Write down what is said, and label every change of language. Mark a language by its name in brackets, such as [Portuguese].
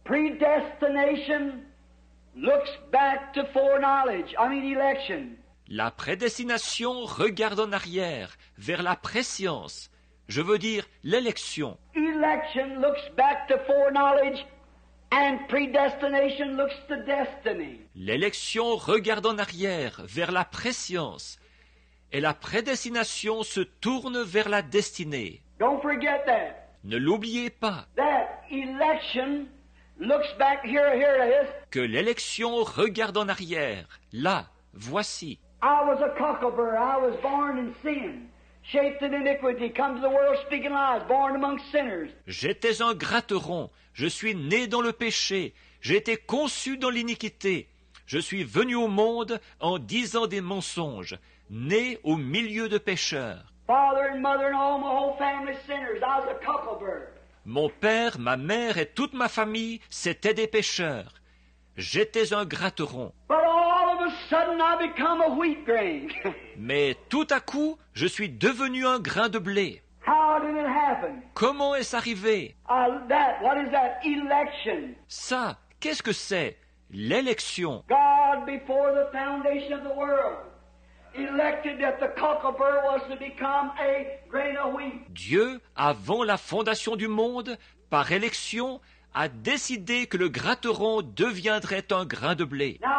[English] Predestination looks back to foreknowledge, I mean election. [French] La prédestination regarde en arrière, vers la prescience. Je veux dire l'élection. [English] Election looks back to foreknowledge And predestination looks to destiny. [French] L'élection regarde en arrière, vers la préscience. Et la prédestination se tourne vers la destinée. [English] Don't forget that. [French] Ne l'oubliez pas. [English] That election looks back here, here it is. [French] Que l'élection regarde en arrière. Là, voici. [English] I was a cocklebur. I was born in sin. Shaped in iniquity, come to the world speaking lies, born among sinners. [French] J'étais un gratteron, je suis né dans le péché, j'ai été conçu dans l'iniquité. Je suis venu au monde en disant des mensonges, né au milieu de pécheurs. [English] Father and mother and all my whole family sinners, I was a cocklebur. [French] Mon père, ma mère et toute ma famille, c'étaient des pécheurs. J'étais un gratteron. [English] But all of a sudden I become a wheat grain. [French] Mais tout à coup, je suis devenu un grain de blé. [English] How did it happen? [French] Comment est-ce arrivé? [English] What is that? Election. [French] Ça, qu'est-ce que c'est? L'élection. [English] God before the foundation of the world elected that the cocklebur was to become a grain of wheat. [French] Dieu, avant la fondation du monde, par élection, a décidé que le gratteron deviendrait un grain de blé.